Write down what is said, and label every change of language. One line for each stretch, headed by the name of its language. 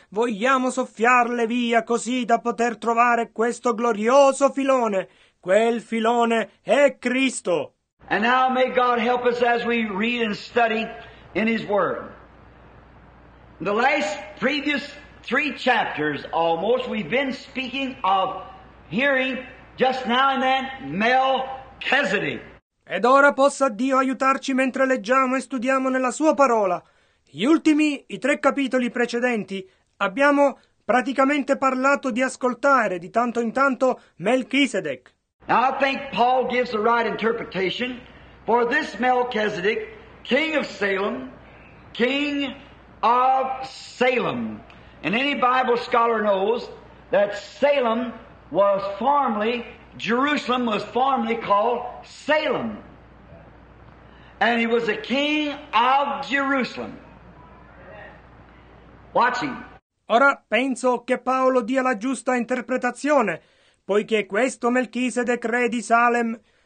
Italian: Vogliamo soffiarle via così da poter trovare questo glorioso filone. Quel filone è Cristo.
English: And now may God help us as we read and study in His Word. In the last previous three chapters almost, we've been speaking of hearing just now and then Melchizedek.
Italian: Ed ora possa Dio aiutarci mentre leggiamo e studiamo nella Sua parola. I tre capitoli precedenti, abbiamo praticamente parlato di ascoltare di tanto in tanto Melchizedek.
English: Now I think Paul gives the right interpretation for this Melchizedek, King of Salem. King of Salem. And any Bible scholar knows that Salem was formerly, Jerusalem was formerly called Salem. And he was a king of Jerusalem. Watching.
Italian: Ora penso che Paolo dia la giusta interpretazione, poiché questo Melchisedec re di Salem.